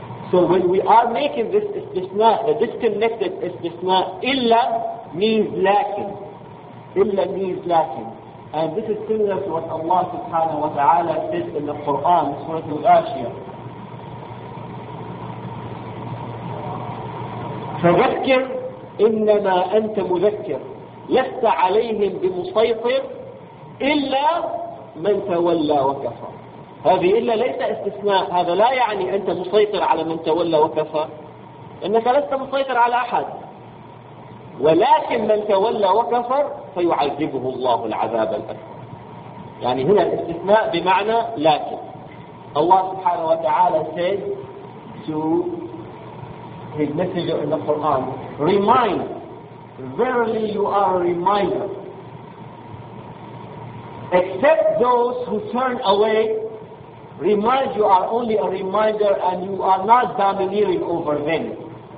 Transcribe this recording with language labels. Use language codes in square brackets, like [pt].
[en] So when we are making this istisna, the disconnected istisna, illa means lacking. Illa means lacking. And this is similar to what Allah subhanahu wa ta'ala says in the Quran, Surah Al-Ghashiyah. [ar] فذكر إنما أنت مذكر لست عليهم بمسيطر إلا من تولى وكفى. هذه إلا ليس استثناء، هذا لا يعني أنت مسيطر على من تولى وكفى، إنك لست مسيطر على أحد، ولكن من تولى وكفر فيعذبه الله العذاب الأكبر. يعني هنا الاستثناء بمعنى لكن. الله سبحانه وتعالى [en] said to his messenger in the Quran, remind, verily you are a reminder. except those who turn away remind you are only a reminder and you are not domineering over them.